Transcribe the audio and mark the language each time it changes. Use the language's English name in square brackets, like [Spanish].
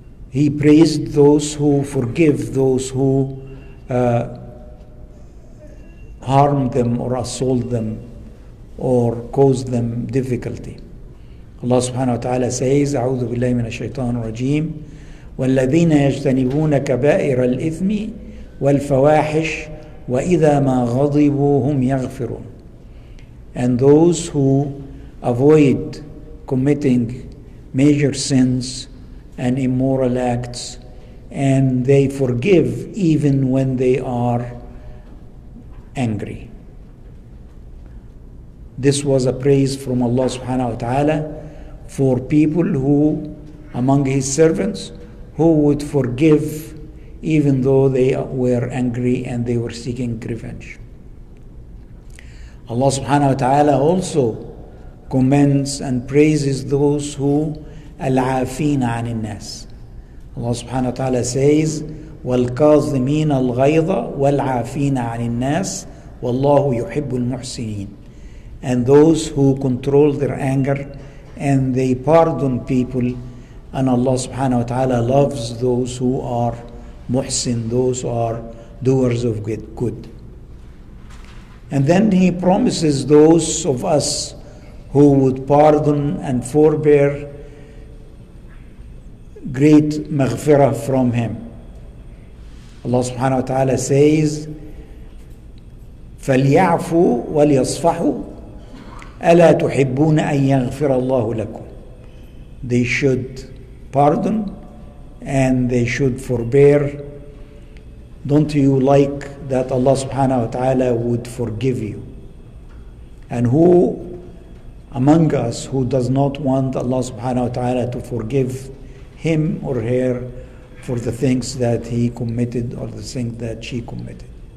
[English] He praised those who forgive those who harm them or assault them or cause them difficulty. Allah subhanahu wa ta'ala says, [Arabic] أعوذ بالله من الشيطان الرجيم والذين يجتنبون كبائر الإثم والفواحش وإذا ما غضبوا هم يغفرون. [English] And those who avoid committing major sins and immoral acts, and they forgive even when they are angry. This was a praise from Allah subhanahu wa ta'ala for people who, among His servants, who would forgive even though they were angry and they were seeking revenge. Allah subhanahu wa ta'ala also commends and praises those who [Arabic] الْعَافِينَ عَنِ النَّاسِ. [English] Allah subhanahu wa ta'ala says, [Arabic] وَالْكَاظِمِينَ الْغَيْضَ وَالْعَافِينَ عَنِ النَّاسِ وَاللَّهُ يُحِبُّ الْمُحْسِنِينَ. [English] And those who control their anger and they pardon people, and Allah subhanahu wa ta'ala loves those who are muhsin, those who are doers of good. And then He promises those of us who would pardon and forbear great maghfirah from Him. Allah subhanahu wa ta'ala says, [Arabic] فَلْيَعْفُوا وَلْيَصْفَحُوا أَلَا تُحِبُّونَ أَنْ يَغْفِرَ اللَّهُ لَكُمْ. [English] They should pardon and they should forbear. Don't you like that Allah subhanahu wa ta'ala would forgive you? And who among us who does not want Allah subhanahu wa ta'ala to forgive him or her for the things that he committed or the things that she committed?